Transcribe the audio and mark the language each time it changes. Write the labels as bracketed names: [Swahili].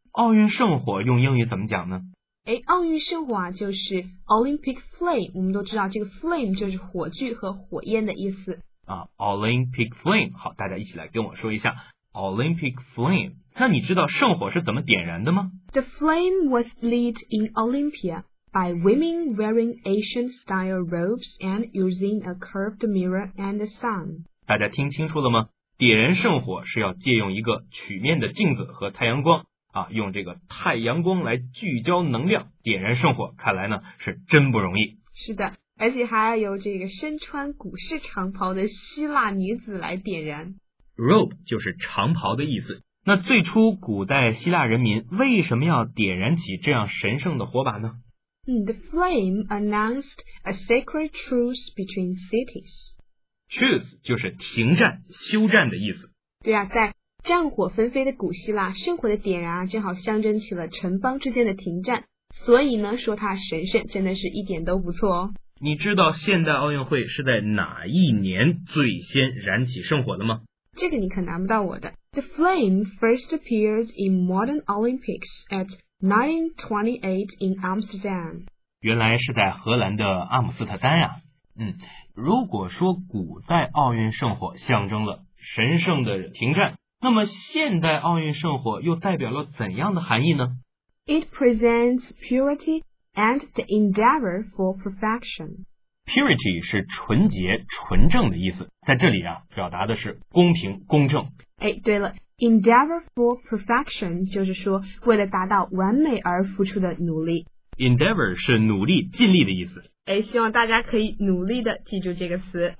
[Chinese] 奥运圣火用英语怎么讲呢？哎，奥运圣火啊就是 Olympic Flame， 我们都知道这个 Flame 就是火炬和火焰的意思。啊 ，Olympic Flame， 好，大家一起来跟我说一下 Olympic Flame。那你知道圣火是怎么点燃的吗 [English] ？The flame was lit in Olympia by women wearing ancient style robes and using a curved mirror and the sun。 [Chinese] 大家听清楚了吗？点燃圣火是要借用一个曲面的镜子和太阳光啊，用这个太阳光来聚焦能量点燃圣火，看来呢是真不容易。是的，而且还要由这个身穿古式长袍的希腊女子来点燃。 Robe 就是长袍的意思。那最初古代希腊人民为什么要点燃起这样神圣的火把呢？ [English] The flame announced a sacred truce between cities. [Chinese] Truce 就是停战、休战的意思。对啊，在战火纷飞的古希腊，圣火的点燃啊，正好象征起了城邦之间的停战。所以呢，说它神圣，真的是一点都不错哦。你知道现代奥运会是在哪一年最先燃起圣火的吗？这个你可难不到我的。 [English] The flame first appeared in modern Olympics at 1928 in Amsterdam. [Chinese] 原来是在荷兰的阿姆斯特丹啊。嗯，如果说古代奥运圣火象征了神圣的停战，那么现代奥运圣火又代表了怎样的含义呢？ [English] It presents purity and the endeavor for perfection. [Chinese] Purity 是纯洁、纯正的意思，在这里啊，表达的是公平、公正。哎，对了 ， [English] endeavor for perfection [Chinese] 就是说为了达到完美而付出的努力。 Endeavor 是努力、尽力的意思。哎，希望大家可以努力的记住这个词。